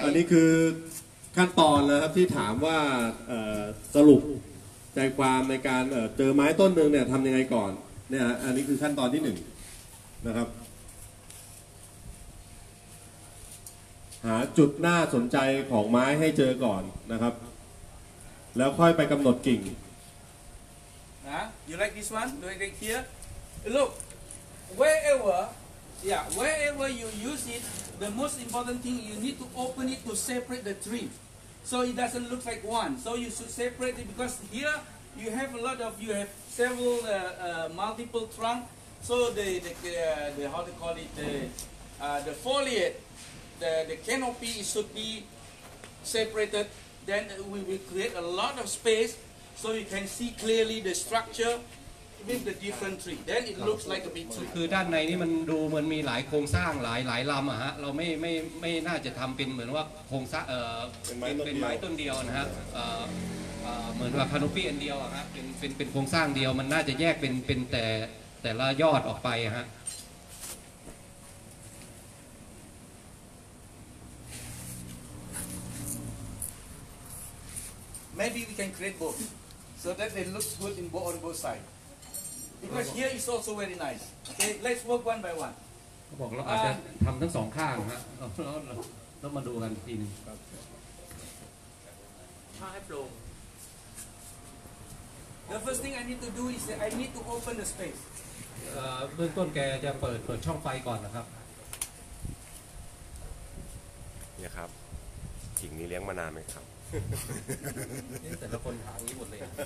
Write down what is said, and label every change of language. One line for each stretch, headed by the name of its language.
Thai: อันนี้คือขั้นตอนเลยครับที่ถามว่าสรุปใจความในการเจอไม้ต้นนึงเนี่ยทำยังไงก่อนเนี่ยอันนี้คือขั้นตอนที่1นะครับหาจุดน่าสนใจของไม้ให้เจอก่อนนะครับแล้วค่อยไปกำหนดกิ่ง นะ
English: you like this one do you like here look wherever yeah wherever you use it the most important thing you need to open it to separate the tree so it doesn't look like one so you should separate it because here you have a lot of you haveseveral multiple trunk so the how to call it the foliage the canopy should be separated then we will create a lot of space so you can see clearly the structure with the different tree then it looks like a big tree
Thai: คือด้านในนี้มันดูเหมือนมีหลายโครงสร้างหลายลำอ่ะฮะเราไม่น่าจะทำเป็นเหมือนว่าโครงสร้าง เป็น ไม้ต้นเดียวนะฮะเหมือนว่าคานูปี้อันเดียวอะครับเป็นโครงสร้างเดียวมันน่าจะแยกเป็นแต่ละยอดออกไปฮะ
English: Maybe we can create both so that it looks good in both on both sides because here is also very nice okay let's work one by one
Thai: เขาบอกเราอาจจะทำทั้งสองข้างฮะเรามาดูกันทีนึง ถ้ าให้โปร่ง
English: The first thing I need to do is I need to open the space.
Thai: เบื้องต้นแกจะเปิดช่องไฟก่อนนะครับ เนี่ยครับกิ่งนี้เลี้ยงมานานไหมครับ แต่ละคนถามนี้หมดเลย